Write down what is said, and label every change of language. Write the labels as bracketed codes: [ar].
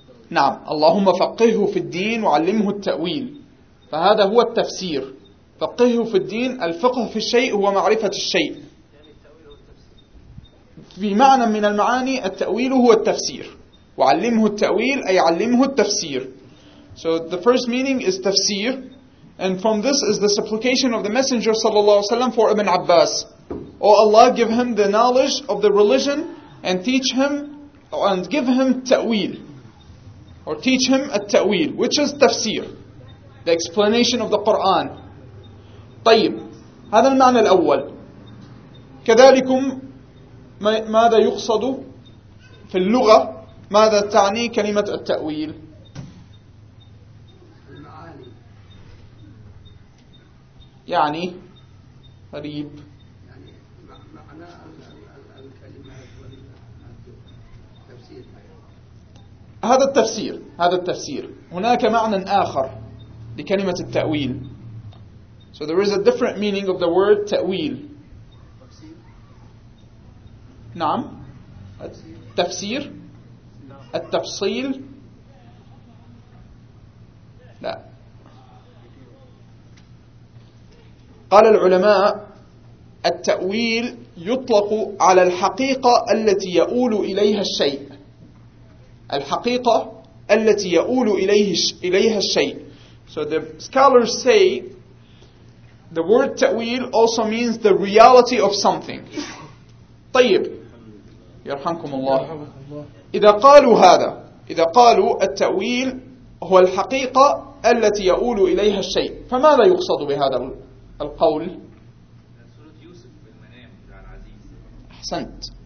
[ar] نعم. اللهم فقهه في الدين وعلمه التأويل. فهذا هو التفسير. فقهه في الدين، الفقه في الشيء هو معرفة الشيء. في معنى من المعاني التأويل هو التفسير. وعلمه التأويل أي علمه التفسير. [en] So the first meaning is تفسير. And from this is the supplication of the Messenger صلى الله عليه وسلم for Ibn Abbas. Oh Allah, give him the knowledge of the religion and teach him and give him تأويل. Or teach him التأويل, which is تفسير. The explanation of the Quran. [ar] طيب هذا المعنى الأول. كذلكم ماذا يقصد في اللغة؟ ماذا تعني كلمة التأويل؟ المعاني. يعني قريب. يعني معنى الكلمات والتفسير. هذا التفسير. هناك معنى آخر لكلمة التأويل. [en] So there is a different meaning of the word تأويل. [ar] نعم. التفسير. التفصيل. لا. قال العلماء التأويل يطلق على الحقيقة التي يؤول إليها الشيء. الحقيقة التي يؤول إليها الشيء. [en] So the scholars say the word تأويل also means the reality of something. [ar] طيب يرحمكم الله. إذا قالوا هذا، إذا قالوا التأويل هو الحقيقة التي يؤول إليها الشيء، فماذا يقصد بهذا القول؟ سورة يوسف في المنام على العزيز. أحسنت.